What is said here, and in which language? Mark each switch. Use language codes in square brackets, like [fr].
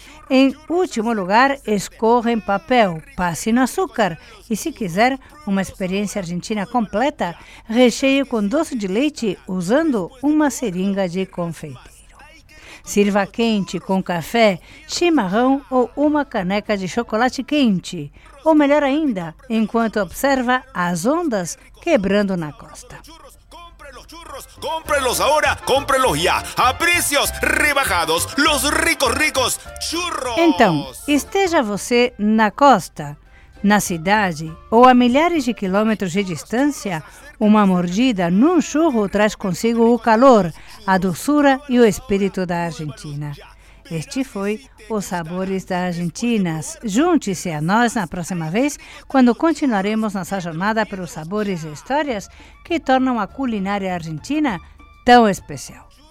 [pt] Em último lugar, escorra em papel, passe no açúcar e, se quiser uma experiência argentina completa, recheie com doce de leite usando uma seringa de confeiteiro. Sirva quente com café, chimarrão ou uma caneca de chocolate quente. Ou melhor ainda, enquanto observa as ondas quebrando na costa. [es] Churros, cómprelos ahora, cómprelos ya, a precios rebajados, los ricos, ricos churros. [pt] Então, esteja você na costa, na cidade ou a milhares de quilômetros de distância, uma mordida num churro traz consigo o calor, a doçura e o espírito da Argentina. Este foi Os Sabores da Argentina. Junte-se a nós na próxima vez, quando continuaremos nossa jornada pelos sabores e histórias que tornam a culinária argentina tão especial.